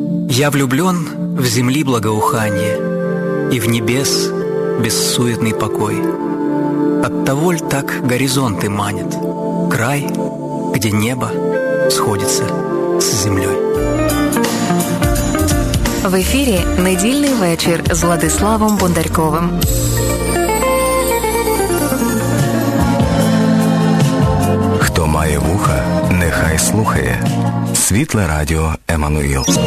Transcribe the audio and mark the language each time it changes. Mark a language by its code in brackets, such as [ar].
[ru] Я влюблен в землі благоухання і в небес бессуетный покой. Оттого ль так горизонты манят, край, где небо сходится с землей. В эфире «Недельный вечер» с Владиславом Бондарьковым. [uk] Кто має вуха, нехай слухає. Світле радіо Еммануїл.